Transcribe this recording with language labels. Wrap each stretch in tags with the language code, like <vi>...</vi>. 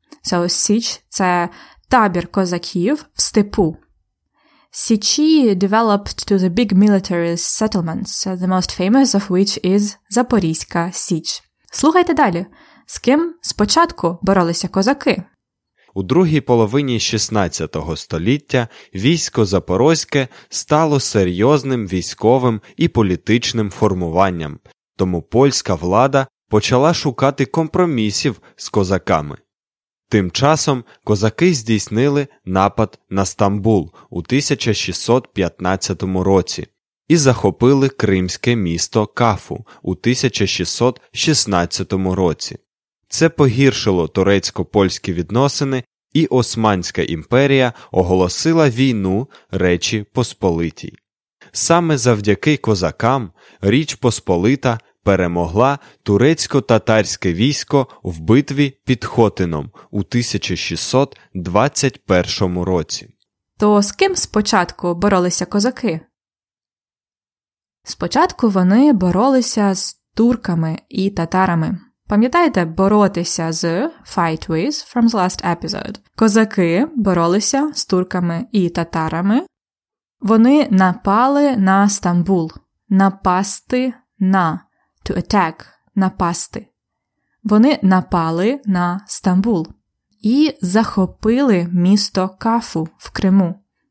<en>So,</en> <uk>Січ – це табір козаків в степу.</uk> <en>Січі developed to the big military settlements, the most famous of which is Запорізька Січ.</en> <uk>Слухайте далі. З ким спочатку боролися козаки? У другій половині 16 століття військо Запорозьке стало серйозним військовим і політичним формуванням, тому польська влада почала шукати компромісів з козаками. Тим часом козаки здійснили напад на Стамбул у 1615 році і захопили кримське місто Кафу у 1616 році. Це погіршило турецько-польські відносини, і Османська імперія оголосила війну Речі Посполитій. Саме завдяки козакам Річ Посполита перемогла турецько-татарське військо в битві під Хотином у 1621 році. То з ким спочатку боролися козаки? Спочатку вони боролися з турками і татарами. Пам'ятаєте, боротися з</uk> <en>«fight with» from the last episode?</en> <uk>Козаки боролися з турками і татарами. Вони напали на Стамбул. Напасти на.</uk> <en>To attack.</en> <uk>Напасти. Вони напали на Стамбул. І захопили місто Кафу в Криму.</uk>